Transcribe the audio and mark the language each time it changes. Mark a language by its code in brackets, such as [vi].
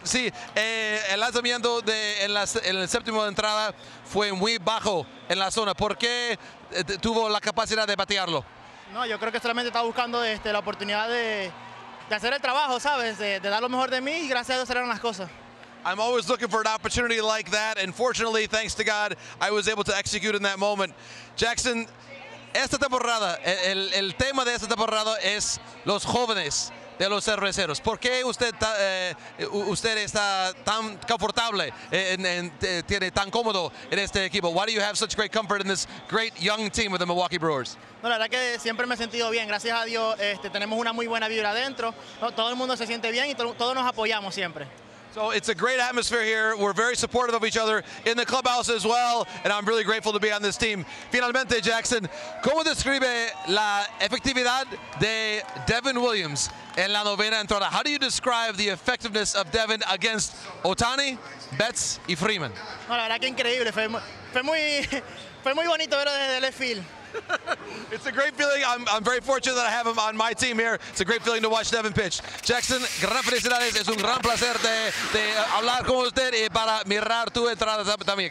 [es] Sí, el lanzamiento de en el séptimo de entrada fue muy bajo en la zona. ¿Por qué tuvo la capacidad de batearlo? No, yo creo que solamente estaba buscando la oportunidad de hacer el trabajo, ¿sabes? De dar lo mejor de mí y gracias a Dios salieron las cosas. [en] I'm always looking for an opportunity like that, and fortunately, thanks to God, I was able to execute in that moment. [es] Jackson, esta temporada, el tema de esta temporada es los jóvenes de los cerveceros. ¿Por qué usted está tan confortable en tiene tan cómodo en este equipo? [en] Why do you have such great comfort in this great young team of the Milwaukee Brewers? [es] No, la verdad que siempre me he sentido bien, gracias a Dios. Tenemos una muy buena vibra adentro, todo el mundo se siente bien y todos nos apoyamos siempre. [en] So it's a great atmosphere here. We're very supportive of each other in the clubhouse as well, and I'm really grateful to be on this team. [es] Finalmente, Jackson, ¿cómo describe la efectividad de Devin Williams en la novena entrada? [en] How do you describe the effectiveness of Devin against Otani, Betts y Freeman? [es] No, la verdad que increíble. Fue muy bonito verlo desde el field. [en] It's a great feeling. I'm very fortunate that I have him on my team here. It's a great feeling to watch Devin pitch. [es] Jackson, gran felicidades. Es un gran placer de hablar con usted y para mirar tu entrada también.